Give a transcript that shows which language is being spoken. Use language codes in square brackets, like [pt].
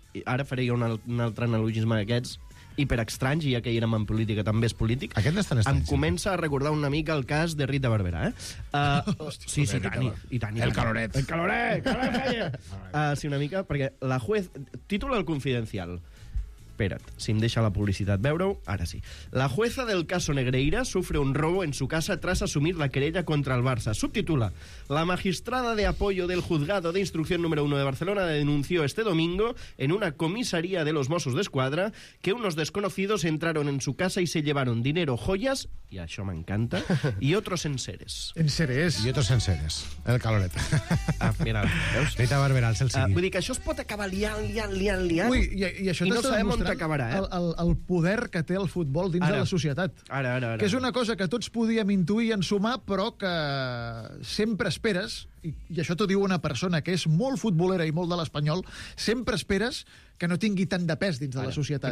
[ca] Ara faré jo un altre analogisme d'aquests... hiperextrany, ja que hi érem en política, també és polític. Aquest és tan estrany. Em comença a recordar una mica el cas de Rita Barberà, eh? Hòstia, sí, Barberà, sí, i tant. El caloret. El caloret! Sí, una mica, perquè la juez... Títol al confidencial. Espera't, si em deixa la publicitat veure-ho, ara sí. [es] La jueza del caso Negreira sufre un robo en su casa tras asumir la querella contra el Barça. [ca] Subtitula. [es] La magistrada de apoyo del juzgado de instrucción número 1 de Barcelona denunció este domingo en una comisaría de los Mossos d'Esquadra que unos desconocidos entraron en su casa y se llevaron dinero, joyas, [ca] y això m'encanta, [es] y otros enseres. Enseres. Y otros enseres. [ca] El caloret. Ah, mira, veus? Rita Barberà, el seguit. Vull dir que això es pot acabar liant. Ui, i això no sabem on t'acabarà, eh? El poder que té el futbol dins de la societat. Ara. Que és una cosa que tots podíem intuir i ensumar, però que sempre esperes, i això t'ho diu una persona que és molt futbolera i molt de l'Espanyol, sempre esperes que no tingui tant de pes dins de la societat.